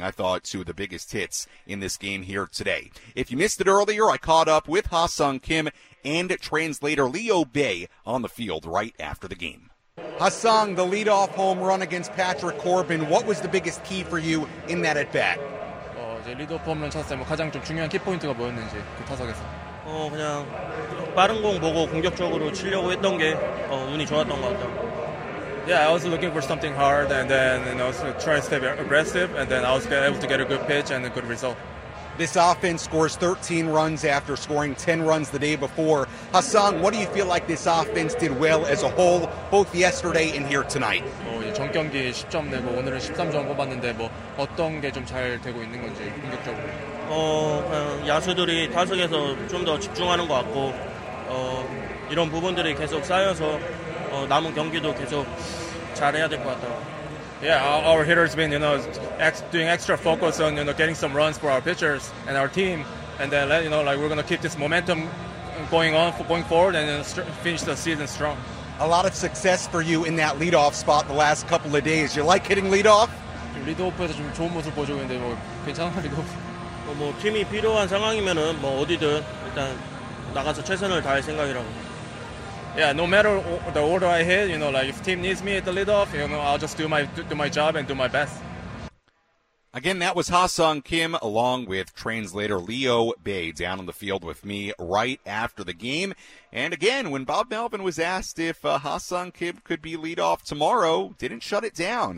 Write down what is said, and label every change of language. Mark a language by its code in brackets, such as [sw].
[en] I thought two of the biggest hits in this game here today. If you missed it earlier, I caught up with Ha-Sung Kim and translator Leo Bay on the field right after the game. Ha-Sung, the leadoff home run against Patrick Corbin. What was the biggest key for you in that at-bat? [ko] 리드오프 홈런 쳤을 때 뭐 가장 좀 중요한 키포인트가 뭐였는지 그 타석에서 그냥 빠른 공 보고 공격적으로 치려고 했던 게 운이 좋았던 것 같아요. [en] Yeah, I was looking for something hard and then you know, trying to stay aggressive and then I was able to get a good pitch and a good result. This offense scores 13 runs after scoring 10 runs the day before. Ha-Sung, what do you feel like this offense did well as a whole, both yesterday and here tonight? [ko] 전 경기 10점 내고 오늘은 13점 뽑았는데 뭐 어떤 게 좀 잘 되고 있는 건지 공격적으로. 야수들이 타석에서 좀 더 집중하는 것 같고 이런 부분들이 계속 쌓여서 남은 경기도 계속 잘해야 될 것 같아요. [en] Yeah, our hitters been, you know, doing extra focus on, you know, getting some runs for our pitchers and our team. And then, you know, like we're going to keep this momentum going on, going forward and finish the season strong. A lot of success for you in that leadoff spot the last couple of days. You like hitting leadoff? [ko] 리드오프에서 좀 좋은 모습 보여주고 있는데 뭐 괜찮아요, 리드오프. 뭐 팀이 필요한 상황이면은 뭐 어디든 일단 나가서 최선을 다할 생각이라고. [en] Yeah, no matter the order I hit, you know, like if team needs me at the leadoff, you know, I'll just do my job and do my best. Again, that was Ha-Sung Kim along with translator Leo Bay down on the field with me right after the game. And again, when Bob Melvin was asked if Ha-Sung Kim could be leadoff tomorrow, didn't shut it down.